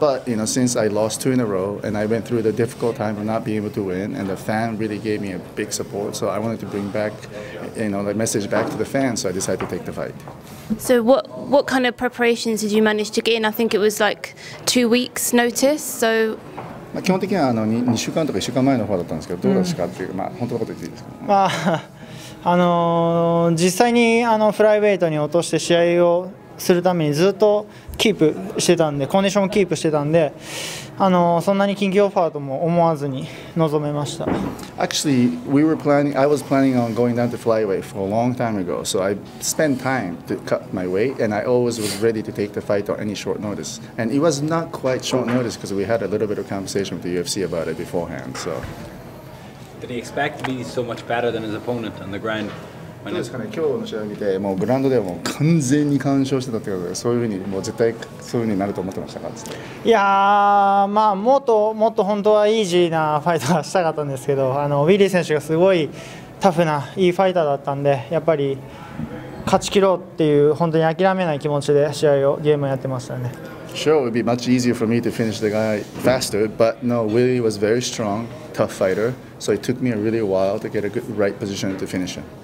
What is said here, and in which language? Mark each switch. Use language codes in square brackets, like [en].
[en] But, you know, since I lost two in a row and I went through the difficult time of not being able to win and the fan really gave me a big support, so I wanted to bring back, the message back to the fan, so I decided to take the fight. So what kind of preparations did you manage to get in? I think it was like 2 weeks notice, so... [ja] まあ、基本的には2週間とか1週間前のオファーだったんですけど、どうですかっていう、うん、まあ、本当のこと言っていいですか、ね、まあ、実際にフライウェイトに落として試合をするためにずっとキープしてたんで、コンディションもキープしてたんで、そんなに緊急オファーとも思わずに臨めました。 [en] Actually, I was planning on going down to flyweight for a long time ago, so I spent time to cut my weight, and I always was ready to take the fight on any short notice. And it was not quite short notice because we had a little bit of conversation with the UFC about it beforehand. So, did he expect to be so much better than his opponent on the ground? When [ja] どうですかね。今日の試合を見て、もうグラウンドではもう完全に完勝してたってことで、そういうふうにもう絶対そういうふうになると思ってましたかって。いやー、まあもっと本当はイージーなファイトはしたかったんですけど、ウィリー選手がすごいタフないいファイターだったんで、やっぱり勝ち切ろうっていう本当に諦めない気持ちで試合をゲームをやってましたね。 [en] Sure, it would be much easier for me to finish the guy faster, but no, Willie was very strong, tough fighter, so it took me a really while to get a good right position to finish him.